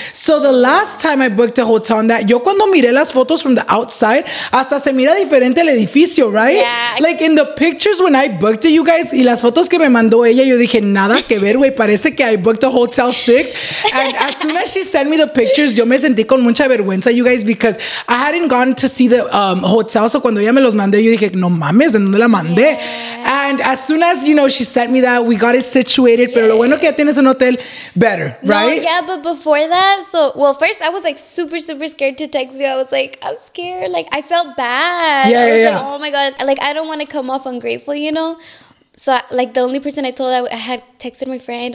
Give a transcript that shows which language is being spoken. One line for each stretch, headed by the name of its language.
English: So the last time I booked a hotel on that,
Spanish: yo cuando miré las fotos
English: from the outside,
Spanish: hasta se mira diferente el edificio,
English: right? Yeah. Like in the pictures when I booked it, you guys,
Spanish: y las fotos que me mandó ella, yo dije, nada que ver, güey, parece que
English: I booked a hotel 6. And as soon as she sent me the pictures,
Spanish: yo me sentí con mucha vergüenza,
English: you guys, because I hadn't gone to see the hotel.
Spanish: So cuando ella me los mandé, yo dije, no mames, ¿en dónde la mandé?
English: Yeah. And as soon as, you know, she sent me that, we got it situated.
Spanish: Yeah. Pero lo bueno que ya tienes un hotel,
English: better, right? No, yeah, but before that, so, well, first I was like super, super scared to text you. I was like, I'm scared. Like, I felt bad. Yeah, I was like, oh my God. Like, I don't want to come off ungrateful, you know? So, like, the only person I told, I had texted my friend.